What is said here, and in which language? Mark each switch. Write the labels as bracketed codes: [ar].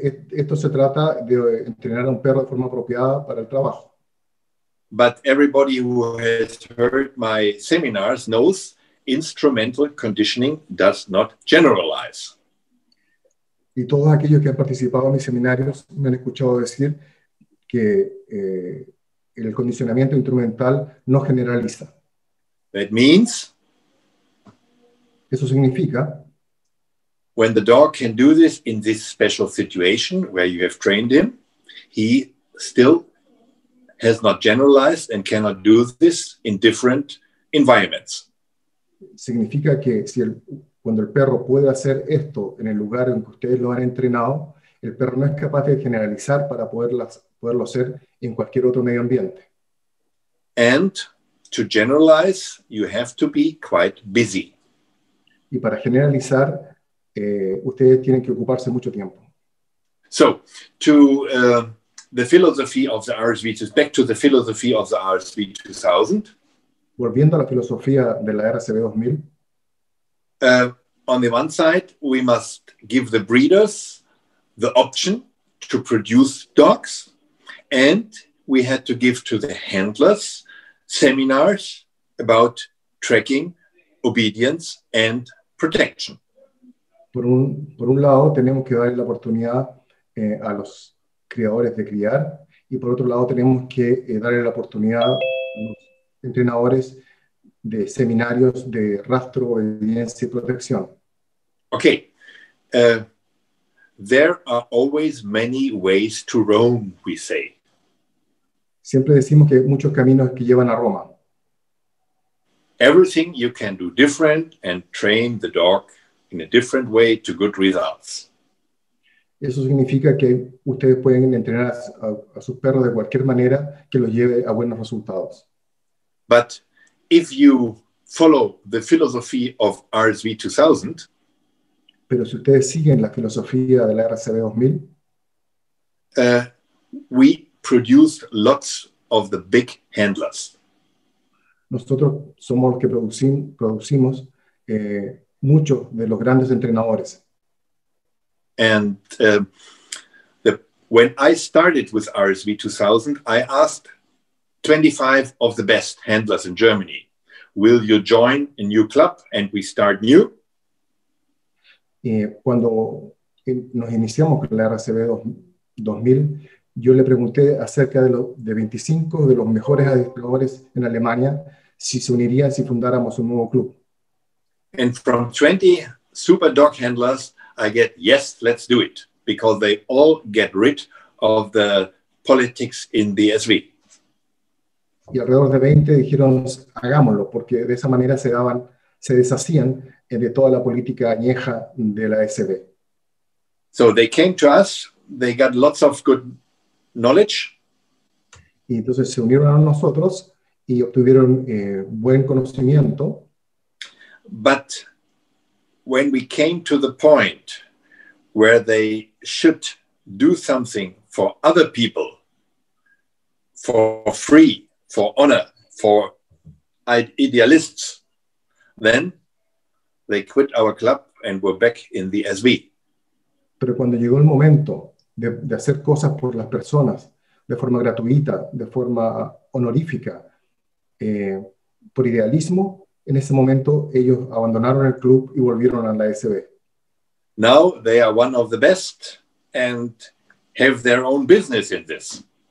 [es] Esto se trata de entrenar a un perro de forma apropiada para el trabajo. [en] But everybody who has heard my seminars knows instrumental conditioning does not generalize. [es] Y todos aquellos que han participado en mis seminarios me han escuchado decir que el condicionamiento instrumental no generaliza. [en] That means, [es] eso significa, [en] when the dog can do this in this special situation where you have trained him, he still has not generalized and cannot do this in different environments. [es] Significa que cuando el perro puede hacer esto en el lugar en que ustedes lo han entrenado, el perro no es capaz de generalizar para poderlo hacer en cualquier otro medio ambiente. [en] And to generalize, you have to be quite busy. [es] Y para generalizar, ustedes tienen que ocuparse mucho tiempo. [en] So, to the philosophy of the RSV, back to the philosophy of the RSV 2000. [es] Volviendo a la filosofía de la RSV 2000. [en] On the one side, we must give the breeders the option to produce dogs, and we had to give to the handlers seminars about tracking, obedience, and protection. [es] Por un lado, tenemos que dar la oportunidad a los criadores de criar, y por otro lado tenemos que darle la oportunidad a los entrenadores de seminarios de rastro, obediencia y protección. [en] Okay. There are always many ways to Rome, we say. [es] Siempre decimos que hay muchos caminos que llevan a Roma. [en] Everything you can do different and train the dog in a different way to good results. [es] Eso significa que ustedes pueden entrenar a sus perros de cualquier manera que los lleve a buenos resultados. [en] But if you follow the philosophy of RSV 2000, [es] pero si ustedes siguen la filosofía de la RSV 2000, [en] we produce lots of the big handlers. [es] Nosotros somos los que producimos muchos de los grandes entrenadores. [en] And when I started with RSV 2000, I asked 25 of the best handlers in Germany, will you join a new club and we start new? [es] Cuando nos iniciamos con la RSV 2000, yo le pregunté acerca de 25 de los mejores adiestradores en Alemania si se unirían si fundáramos un nuevo club. [en] And from 20 super dog handlers, I get, yes, let's do it, because they all get rid of the politics in the SV. [es] Y alrededor de 20 dijeron, hagámoslo, porque de esa manera se deshacían de toda la política añeja de la SV. [en] So they came to us, they got lots of good knowledge. [es] Y entonces se unieron a nosotros y obtuvieron buen conocimiento. [en] But when we came to the point where they should do something for other people, for free, for honor, for idealists, then they quit our club and were back in the SV. [es] Pero cuando llegó el momento de hacer cosas por las personas, de forma gratuita, de forma honorífica, por idealismo, En ese momento, ellos abandonaron el club y volvieron a la SB. [en] Now they are one of the best and have their own business in this.